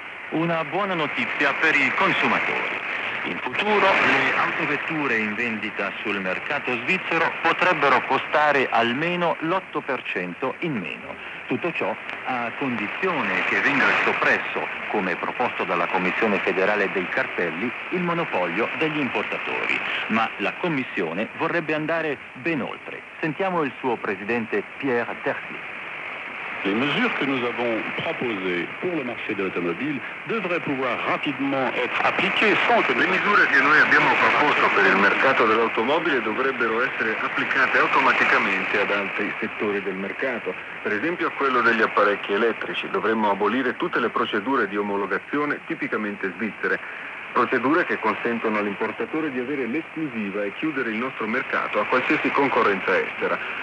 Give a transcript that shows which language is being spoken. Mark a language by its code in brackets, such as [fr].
[it] Una buona notizia per i consumatori. In futuro le autovetture in vendita sul mercato svizzero potrebbero costare almeno l'8% in meno. Tutto ciò a condizione che venga soppresso, come proposto dalla Commissione federale dei cartelli, il monopolio degli importatori. Ma la Commissione vorrebbe andare ben oltre. Sentiamo il suo presidente Pierre Terzi. [fr] Les mesures que nous avons proposées pour le marché de l'automobile devraient pouvoir rapidement être appliquées sans que... [it] Le misure che noi abbiamo proposto per il mercato dell'automobile dovrebbero essere applicate automaticamente ad altri settori del mercato, per esempio a quello degli apparecchi elettrici. Dovremmo abolire tutte le procedure di omologazione tipicamente svizzere, procedure che consentono all'importatore di avere l'esclusiva e chiudere il nostro mercato a qualsiasi concorrenza estera.